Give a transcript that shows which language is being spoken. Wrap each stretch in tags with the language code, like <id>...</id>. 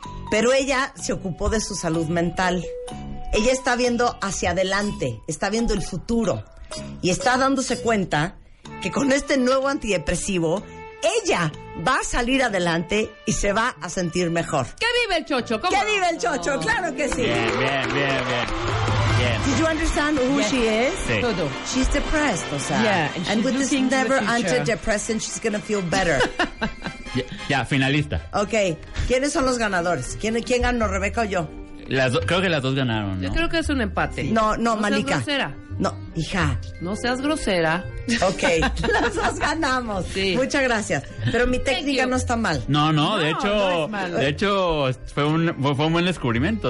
<es>Pero ella se ocupó de su salud mental. Ella está viendo hacia adelante, está viendo el futuro. Y está dándose cuenta que con este nuevo antidepresivo, ella va a salir adelante y se va a sentir mejor. ¡Que vive el chocho! ¿Cómo? ¡Que vive el chocho! ¡Claro que sí! Bien, bien, bien, bien.</es> <en>Did you understand who she is?</en> <es>Sí.</es> <en>She's depressed,</en> <es>o sea.</es> <en>Yeah, and with this endeavor antidepressant, she's going to feel better.</en> <es>Ya, finalista. Ok. ¿Quiénes son los ganadores? ¿Quién ganó, Rebeca o yo? Creo que las dos ganaron, ¿no? Yo creo que es un empate. No, Malika. O sea, No, hija. No seas grosera. Ok, las dos ganamos. Sí. Muchas gracias. Pero mi técnica no está mal. No, de hecho, fue un buen descubrimiento.</es>